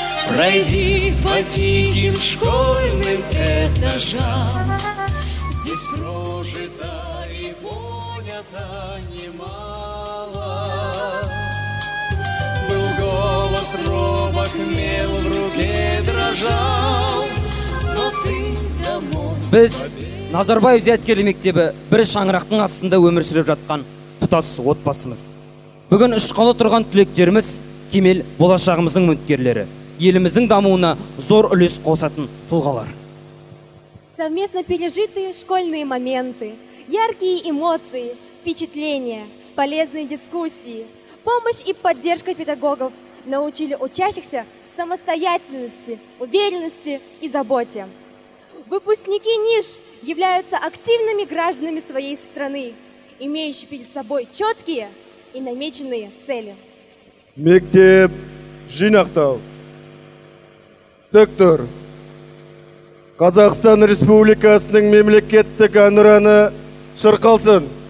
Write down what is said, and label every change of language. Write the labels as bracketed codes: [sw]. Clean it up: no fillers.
[ru] Пройди по тихим школьным этажам, здесь прожито и понято немало. Был голос робок, мел в руке дрожал, но ты домой. [kk] Біз Назарбаев зияткерлік мектебі бір шаңырақтың астында өмір сүріп жатқан тұтас отбасымыз. Бүгін үш қалада тұрған түлектеріміз кемел болашағымыздың үміткерлері. Еліміздің дамуына зор үлес қосатын тұлғалар. [ru] Совместно пережитые школьные моменты, яркие эмоции, впечатления, полезные дискуссии, помощь и поддержка педагогов научили учащихся самостоятельности, уверенности и заботе. Выпускники НИШ являются активными гражданами своей страны, имеющие перед собой четкие и намеченные цели. [kk] Мектеп жинақтау. Доктор, Қазақстан Республикасының мемлекеттік әнұраны шырқалсын.